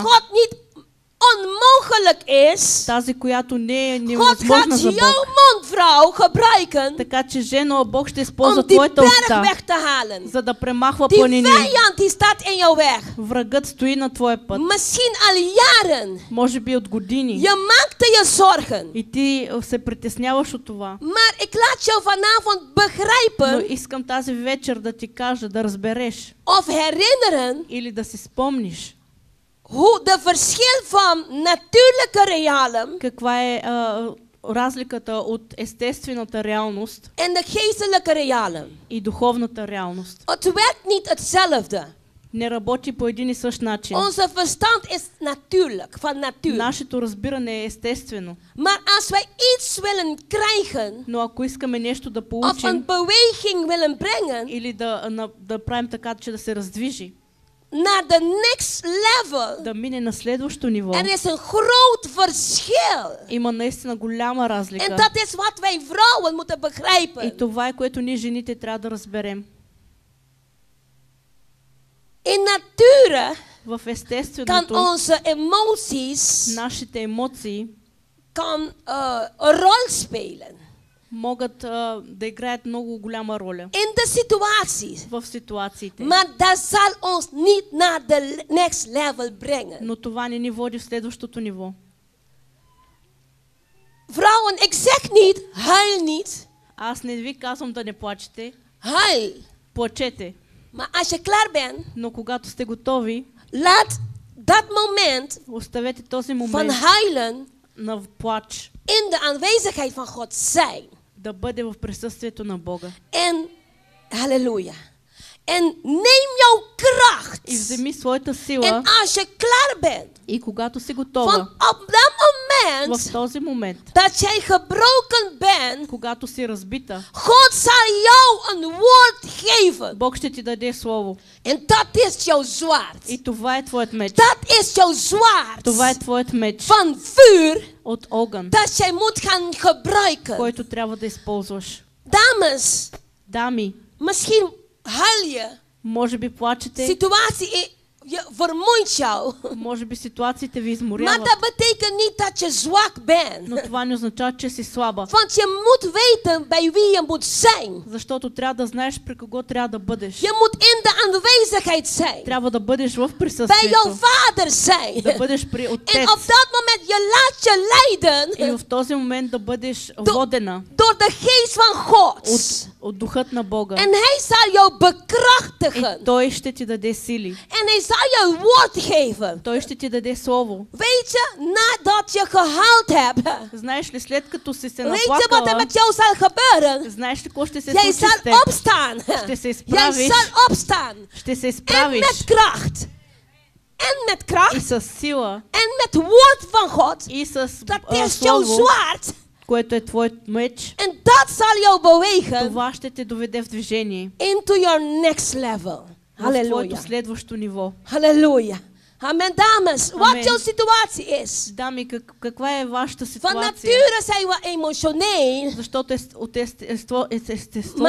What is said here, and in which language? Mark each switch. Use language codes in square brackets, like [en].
[nl] Dat verhoud niet onmogelijk is. [bg] Тази, която не е невъзможна за Бог. [nl] God gaat jouw mond, vrouw, gebruiken. [bg] Така че жено, Бог ще използва твоята уста. [nl] Om die berg weg te halen. [bg] За да премахва планини. [nl] Die vijand staat in jouw weg. [bg] Врагът стои на твоя път. [nl] Misschien al jaren. [bg] Може би от години. [nl] Je maakt je zorgen. [bg] И ти се притесняваш от това. [nl] Maar ik laat jou vanavond begrijpen. [bg] Но искам тази вечер да ти кажа, да разбереш. [nl] Of herinneren. [bg] Или да си спомниш. [nl] Hoe de verschil van natuurlijke realen. [bg] Каква е разликата от естествената реалност. [nl] En de geestelijke realen. [bg] И духовната реалност. [nl] Het werkt niet hetzelfde. [bg] Не работи по един и същ начин. [nl] Onze verstand is natuurlijk, van natuur. [bg] Нашето разбиране е естествено. [nl] Maar als wij iets willen krijgen. [bg] Но ако искаме нещо да получим. [nl] Of een beweging willen brengen. [bg] Или да правим така, че да се раздвижи. [nl] Naar de next level. [bg] Да мине на следващото ниво. [nl] Er is een groot verschil. [bg] Има наистина голяма разлика. [en] And that is what [nl] wij vrouwen moeten begrijpen. [bg] И това е, което ние жените трябва да разберем. [en] In nature. [bg] В естественото. [nl] Kan onze emoties. [bg] Нашите емоции. [nl] Kan rol spelen. [bg] Могат да играят много голяма роля. [en] In the situations. [bg] В ситуациите. [nl] Maar dat zal ons niet naar [en] the next level [nl] brengen. [bg] Но това не ни води в следващото ниво. [nl] Vrouwen, ik zeg niet, huil niet. [bg] Аз не ви казвам да не плачете. [nl] Huil. [bg] Плачете. [nl] Maar als je klaar ben, [bg] но когато сте готови, [nl] laat dat moment, [bg] оставете този момент [nl] van huilen, [bg] на плач. [nl] In de aanwezigheid van God zijn. [bg] Да бъде в присъствието на Бога. [nl] En halleluja. En neem jouw kracht. [bg] И вземи своята сила. [nl] En als je klaar bent. [bg] И когато си готова. [nl] Op dat moment. [bg] В този момент. [nl] Dat jij gebroken bent. [bg] Когато си разбита. [nl] God zal jou een woord geven. [bg] Бог ще ти даде слово. [nl] En dat is jouw zwaard. [bg] И това е твоят меч. [nl] Dat is jouw zwaard. [bg] Това е твоят меч. [nl] Van vuur. [bg] От огън. [nl] Dat jij moet gaan gebruiken. [bg] Който трябва да използваш. [nl] Dames. [bg] Дами. [nl] Misschien huil je. [bg] Може би плачете. [nl] Ситуации вермуйт jou. [bg] Може би ситуациите ви изморяват. [nl] Maar dat betekent niet dat je zwak bent. [bg] Но това не означава, че си слаба. [nl] Want je moet weten bij wie je moet zijn. [bg] Защото трябва да знаеш при кого трябва да бъдеш. [nl] Je moet in de aanwezigheid zijn. [bg] Трябва да бъдеш в присъствието. [nl] Bij jouw vader zijn. [bg] Да бъдеш при отец. [nl] En op dat moment je laat je leiden. [bg] И в този момент да бъдеш водена. [nl] Door de geest van God. [bg] От духът на Бога. [nl] En hij zal jou bekrachtigen. [bg] И той ще ти даде сили. [nl] En hij zal jou woord geven. [bg] Той ще ти даде слово. [nl] Weet je, nadat je gehaald hebt. [bg] Знаеш ли, след като си се наплакала. [nl] Weet je wat er met jou zal gebeuren. [bg] Знаеш ли, какво ще се случи с теб. [nl] Jij zal opstaan. [bg] Ще се изправиш. [nl] Jij zal opstaan. [bg] Ще се изправиш. [nl] En met kracht. En met kracht. [bg] И със сила. [nl] En met woord van God. [bg] И със [nl] Dat is jouw zwaard. [bg] Което е твой меч. [en] And that shall you bewegen. [bg] Това ще те доведе в движение. [en] Into your next level. [bg] Halleluja. В твоето следващо ниво. [nl] Halleluja. Amen, dames. [bg] Amen. [en] What your situation is. [bg] Дами, каква е вашата ситуация? [nl] Van nature zijn we emotioneel. [bg] Защото от естеството ни.